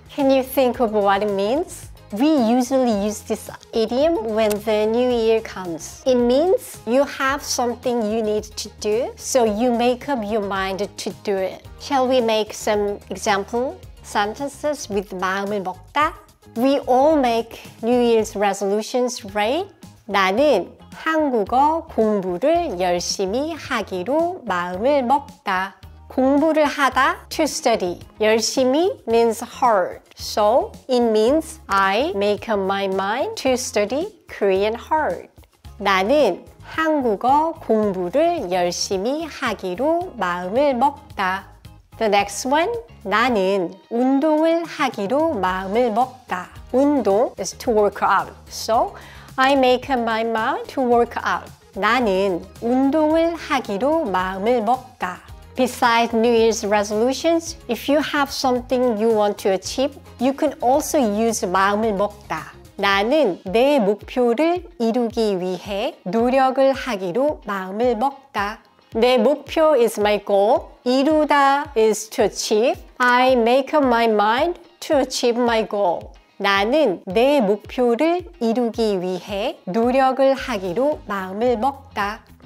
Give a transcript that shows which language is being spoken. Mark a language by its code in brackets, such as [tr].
[en] Can you think of what it means? We usually use this idiom when the new year comes. It means you have something you need to do, so you make up your mind to do it. Shall we make some example sentences with 마음을 먹다? We all make New Year's resolutions, right? [ko] 나는 한국어 공부를 열심히 하기로 마음을 먹다. [en] 공부를 하다, to study. 열심히 means hard. So it means I make up my mind to study Korean hard. [ko] 나는 한국어 공부를 열심히 하기로 마음을 먹다. [en] The next one, [ko] 나는 운동을 하기로 마음을 먹다. [en] 운동 is to work out. So, I make up my mind to work out. [ko] 나는 운동을 하기로 마음을 먹다. [en] Besides New Year's resolutions, if you have something you want to achieve, you can also use 마음을 먹다. [ko] 나는 내 목표를 이루기 위해 노력을 하기로 마음을 먹다. [en] 내 목표 is my goal. 이루다 is to achieve. I make up my mind to achieve my goal. [ko] 나는 내 목표를 이루기 위해 노력을 하기로 마음을 먹다.